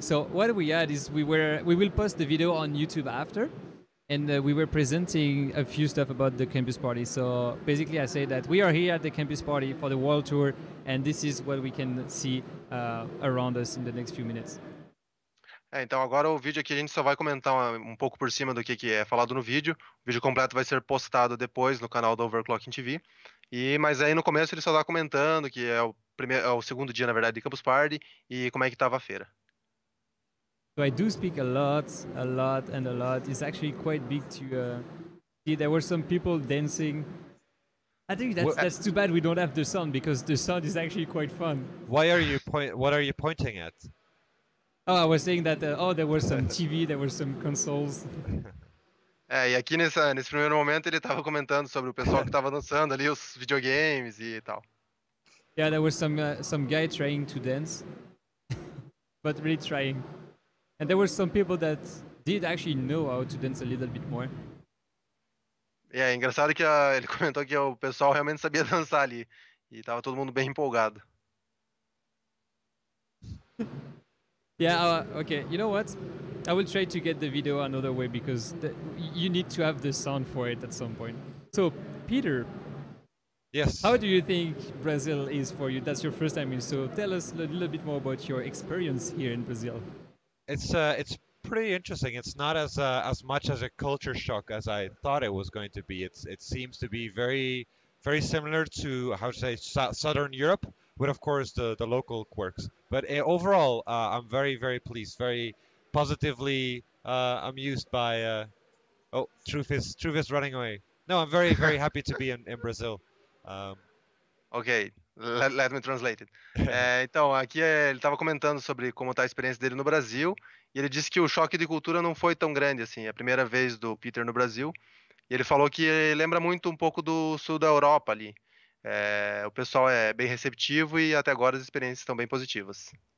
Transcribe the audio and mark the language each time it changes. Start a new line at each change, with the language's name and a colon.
English: So what we had is we will post the video on YouTube after, and we were presenting a few stuff about the campus party. So basically I say that we are here at the campus party for the world tour, and this is what we can see around us in the next few minutes.
Portuguese: É, então agora o vídeo aqui a gente só vai comentar um pouco por cima do que é falado no vídeo. O vídeo completo vai ser postado depois no canal do Overclocking TV. Mas aí no começo ele só tá comentando que é o segundo dia, na verdade, de Campus Party, e como é que estava a feira.
English: So I do speak a lot and a lot. It's actually quite big to see there were some people dancing. I think that's too bad we don't have the sound, because the sound is actually quite fun. Why are you what are you pointing at? Oh, I was saying that there were some TV, there were some consoles.
Portuguese: É, e aqui nesse primeiro momento ele estava comentando sobre o pessoal que estava dançando ali, os videogames e tal.
English: Yeah, there was some guy trying to dance, but really trying. And there were some people that did actually know how to dance a little bit more.
Portuguese: Yeah, engraçado que ele comentou que o pessoal realmente sabia dançar ali, e tava todo mundo bem empolgado.
English: Okay, you know what? I will try to get the video another way, because you need to have the sound for it at some point. So, Peter. Yes. How do you think Brazil is for you? That's your first time in. So tell us a little bit more about your experience here in Brazil. It's pretty interesting. It's not as much as a culture shock as I thought it was going to be. It seems to be very, very similar to, how to say, Southern Europe, with of course the local quirks. But overall, I'm very, very pleased, very positively amused by. Truth is running away. No, I'm very, very happy to be in Brazil. Okay, let me translate it.
Portuguese: Então, aqui ele estava comentando sobre como está a experiência dele no Brasil, e ele disse que o choque de cultura não foi tão grande assim, a primeira vez do Peter no Brasil, e ele falou que ele lembra muito um pouco do sul da Europa ali. O pessoal é bem receptivo e até agora as experiências estão bem positivas.